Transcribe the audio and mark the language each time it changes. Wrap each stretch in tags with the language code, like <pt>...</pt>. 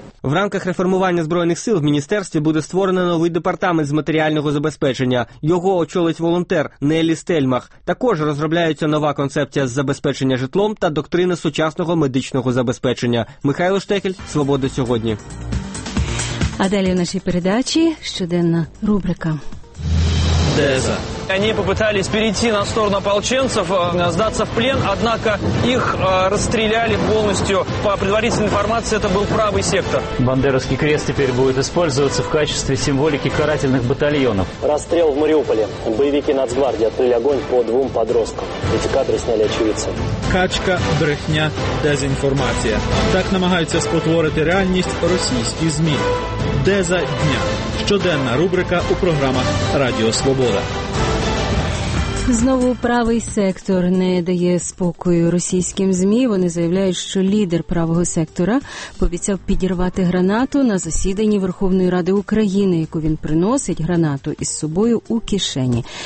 <uk>В рамках реформування Збройних сил в міністерстві буде створено новий департамент з матеріального забезпечення. Його очолить волонтер Нелі Стельмах. Також розробляється нова концепція з забезпечення житлом та доктрина сучасного медичного забезпечення. Михайло Штекель, «Свобода сьогодні». А далі в нашій передачі щоденна рубрика.</uk> <ru>Они попытались перейти на сторону ополченцев, сдаться в плен, однако их расстреляли полностью. По предварительной информации, это был правый сектор. Бандеровский крест теперь будет использоваться в качестве символики карательных батальонов. Расстрел в Мариуполе. Боевики Нацгвардии открыли огонь по двум подросткам. Эти кадры сняли очевидцы. Качка, брехня, дезинформация. Так намагаются спотворить реальность российские ЗМИ. Деза дня.</ru> <uk>Щоденна рубрика у програмах «Радіо Свобода». Знову правий сектор не дає спокою російським ЗМІ. Вони заявляють, що лідер правого сектора пообіцяв підірвати гранату на засіданні Верховної Ради України, яку він приносить, гранату із собою у кишені.</uk>